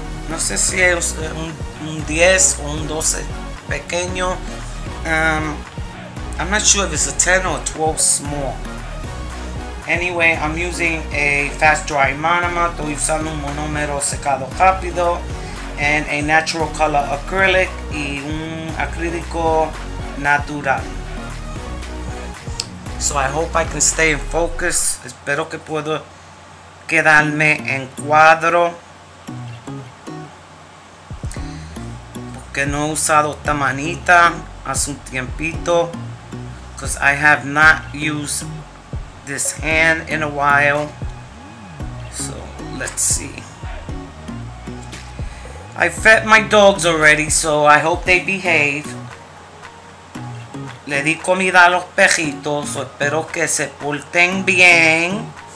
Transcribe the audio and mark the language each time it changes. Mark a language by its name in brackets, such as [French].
[Spanish] No sé si es un 10 o un 12 pequeño. [English] I'm not sure if it's a 10 or a 12 small. Anyway, I'm using a fast dry monomer. [Spanish] Estoy usando un monómero secado rápido. [English] And a natural color acrylic [Spanish] y un acrílico natural. [English] So I hope I can stay in focus. [Spanish] Espero que puedo quedarme en cuadro. Porque no he usado esta manita hace un tiempito. [English] Because I have not used this hand in a while. So let's see. I fed my dogs already, so I hope they behave. [Spanish] Le di comida a los perritos, so espero que se porten bien.